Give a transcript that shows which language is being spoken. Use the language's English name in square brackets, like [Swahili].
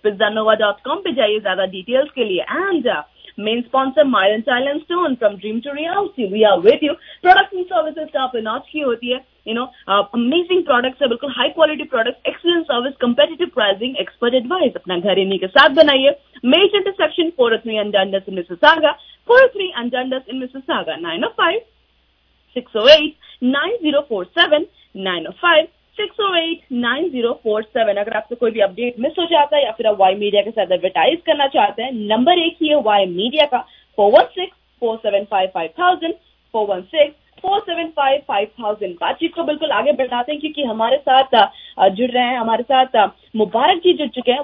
[Hindi] pizzanova.com पे जाइए ज्यादा डिटेल्स के लिए. [English] and main sponsor [Hindi] Mylan silent stone. [English] From dream to reality we are with you. Product and services top notch [Hindi] की होती है. [English] amazing products [Hindi] है बिल्कुल [English] High quality products, excellent service, competitive pricing, expert advice. [Hindi] अपना घर इन्हीं के साथ बनाइए. [English] Major intersection 403 Andandas in Mississauga 905-608-9047 905-608-9047. [Hindi] अगर आपसे कोई भी अपडेट मिस हो जाता है या फिर आप वाई मीडिया के साथ एडवर्टाइज करना चाहते हैं, नंबर एक ही है वाई मीडिया का 416-475-5000 416-475-5000. बातचीत को बिल्कुल आगे बढ़ाते हैं क्योंकि हमारे साथ जुड़ रहे हैं, हमारे साथ मुबारक जी जुड़ चुके हैं.